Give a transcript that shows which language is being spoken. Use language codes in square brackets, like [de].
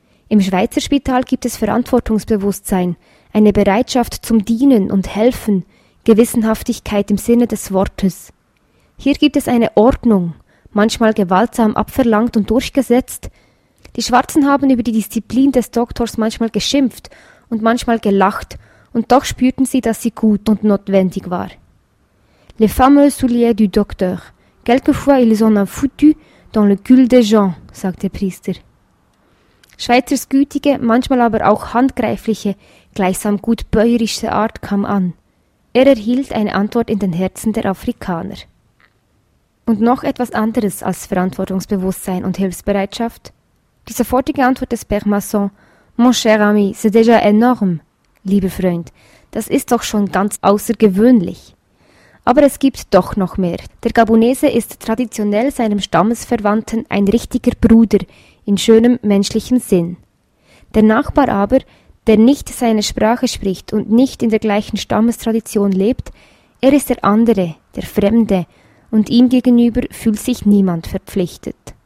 [de] Im Schweizer Spital gibt es Verantwortungsbewusstsein, eine Bereitschaft zum Dienen und Helfen, Gewissenhaftigkeit im Sinne des Wortes. Hier gibt es eine Ordnung, manchmal gewaltsam abverlangt und durchgesetzt. Die Schwarzen haben über die Disziplin des Doktors manchmal geschimpft und manchmal gelacht, und doch spürten sie, dass sie gut und notwendig war. [fr] Les fameux souliers du docteur, quelquefois ils en ont foutu dans le cul des gens, [de] sagt der Priester. Schweizers gütige, manchmal aber auch handgreifliche, gleichsam gut bäuerische Art kam an. Er erhielt eine Antwort in den Herzen der Afrikaner. Und noch etwas anderes als Verantwortungsbewusstsein und Hilfsbereitschaft? Die sofortige Antwort des Bermasson: [fr] Mon cher ami, c'est déjà énorme. [de] Lieber Freund, das ist doch schon ganz außergewöhnlich. Aber es gibt doch noch mehr. Der Gabunese ist traditionell seinem Stammesverwandten ein richtiger Bruder in schönem menschlichen Sinn. Der Nachbar aber, der nicht seine Sprache spricht und nicht in der gleichen Stammestradition lebt, er ist der andere, der Fremde, und ihm gegenüber fühlt sich niemand verpflichtet.